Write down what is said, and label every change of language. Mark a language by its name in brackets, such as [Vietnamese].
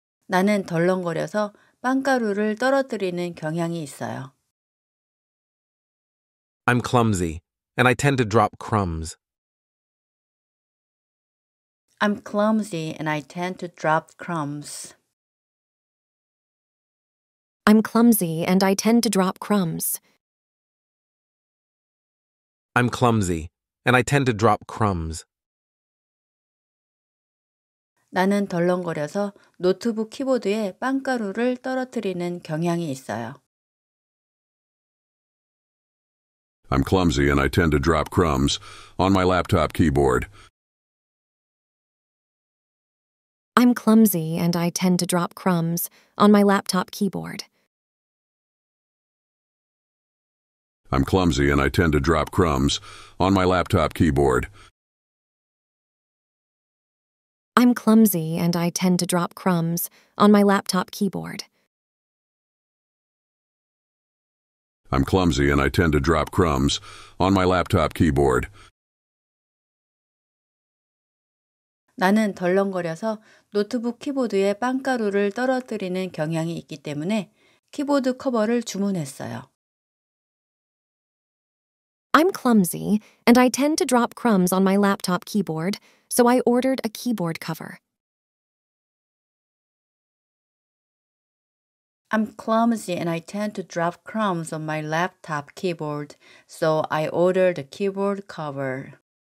[Korean] 나는 덜렁거려서 빵가루를 떨어뜨리는 경향이 있어요. [English] I'm clumsy, and I tend to drop crumbs. I'm clumsy, and I tend to drop crumbs. I'm clumsy, and I tend to drop crumbs. I'm clumsy, and I tend to drop crumbs. [Korean] 나는 덜렁거려서 노트북 키보드에 빵가루를 떨어뜨리는 경향이 있어요. [English] I'm clumsy, and I tend to drop crumbs on my laptop keyboard. I'm clumsy, and I tend to drop crumbs on my laptop keyboard. I'm clumsy and I tend to drop crumbs on my laptop keyboard. I'm clumsy and I tend to drop crumbs on my laptop keyboard. I'm clumsy and I tend to drop crumbs on my laptop keyboard. [Korean] 나는 덜렁거려서 노트북 키보드에 빵가루를 떨어뜨리는 경향이 있기 때문에 키보드 커버를 주문했어요. [English] I'm clumsy, and I tend to drop crumbs on my laptop keyboard, so I ordered a keyboard cover. I'm clumsy, and I tend to drop crumbs on my laptop keyboard, so I ordered a keyboard cover.